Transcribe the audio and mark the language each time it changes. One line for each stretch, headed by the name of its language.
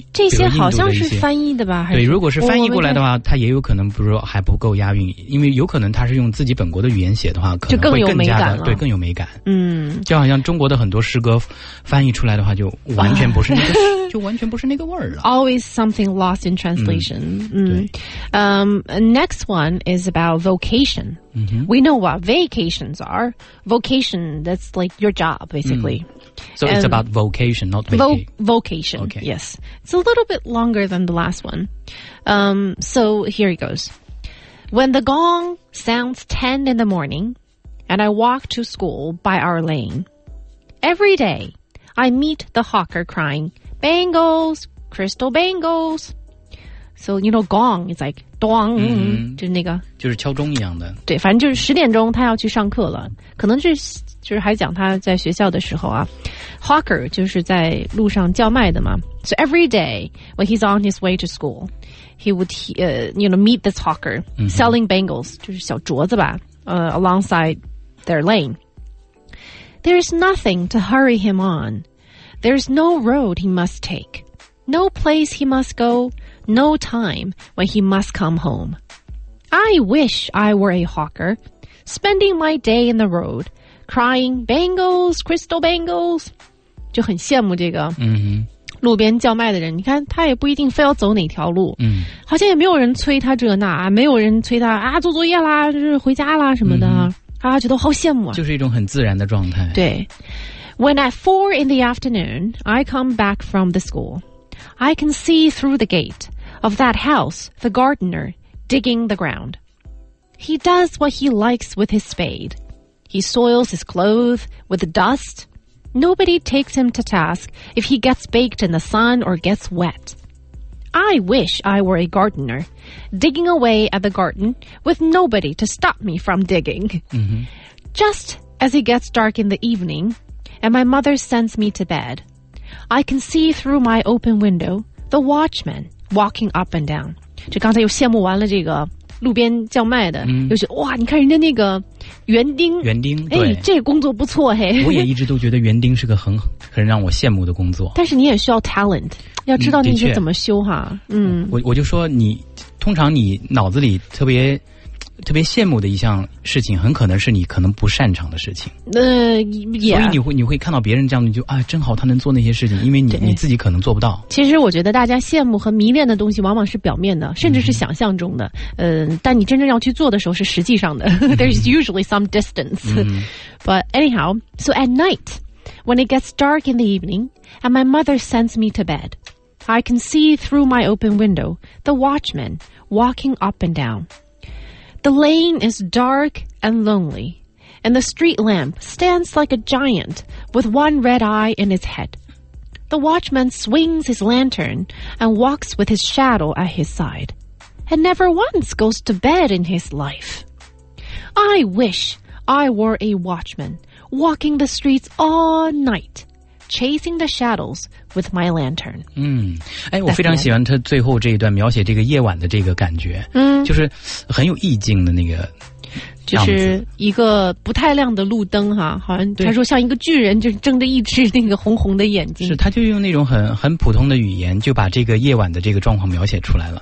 Chinese: 这些好像是翻译的吧？还是对，如果是翻译过来的话，他也有可能不是说还不够押韵，因为有可能他是用自己本国的语言写的话，可能会更加的，对，更有美感。嗯，就好像中国的很多诗歌翻译出来的话，就完全不是那个，就完全不是那个味儿了。
English: Always something lost in translation. 嗯， next one is about vocation. Mm-hmm. We know what vacations are. Vocation, that's like your job, basically. Mm. So it's about vocation, not vacation. Vocation, okay. Yes. It's a little bit longer than the last one. So here it goes. When the gong sounds 10 in the morning and I walk to school by our lane, every day I meet the hawker crying, bangles, crystal bangles. So, you know, gong is like,咚，嗯，
Chinese: 就是那个，就是敲钟一样的。对，反正就是十点钟他要去上课了，可能这就是还讲他在学校的时候啊。 Hawker 就是在路上叫卖的嘛。
English: So every day when he's on his way to school, he would meet this hawker selling bangles,、嗯、
Chinese: 就是小镯子吧。
English: Alongside their lane, there is nothing to hurry him on. There is no road he must take, no place he must go. No time when he must come home. I wish I were a hawker, spending my day in the road, crying bangles, crystal bangles.
Chinese: 就很羡慕这个路边叫卖的人。你看他也不一定非要走哪条路，好像也没有人催他这那，没有人催他啊做作业啦，就是回家啦什么的，他觉得好羡慕啊。就是一种很自然的状态。对。
English: When at 4 in the afternoon, I come back from the school. I can see through the gate of that house, the gardener, digging the ground. He does what he likes with his spade. He soils his clothes with dust. Nobody takes him to task if he gets baked in the sun or gets wet. I wish I were a gardener, digging away at the garden with nobody to stop me from digging. Just as it gets dark in the evening, and my mother sends me to bed,I can see through my open window the watchman walking up and down.
Chinese: 就刚才又羡慕完了这个路边叫卖的，又觉得哇，你看人家那个园丁，园丁，哎，这工作不错嘿。我也一直都觉得园丁是个很让我羡慕的工作。但是你也需要 talent， 要知道那些怎么修哈。嗯，我就说你，通常你脑子里特别羡慕的一项事情，很可能是你可能不擅长的事情。
English: Yeah.
Chinese: 所以你会看到别人这样的，就啊，真好，他能做那些事情，因为你自己可能做不到。其实我觉得大家羡慕和迷恋的东西，往往是表面的，甚至是想象中的。但你真正要去做的时候，是实际上的。
English: There is usually some distance. But anyhow, so at night, when it gets dark in the evening, and my mother sends me to bed, I can see through my open window the watchman walking up and down. The lane is dark and lonely, and the street lamp stands like a giant with one red eye in its head. The watchman swings his lantern and walks with his shadow at his side, and never once goes to bed in his life. I wish I were a watchman, walking the streets all night. Chasing the shadows with my lantern.
Chinese: 嗯，哎，我非常喜欢他最后这一段描写这个夜晚的这个感觉，嗯，就是很有意境的那个，就是一个不太亮的路灯哈，好像他说像一个巨人，就睁着一只那个红红的眼睛。是，他就用那种很普通的语言，就把这个夜晚的这个状况描写出来了。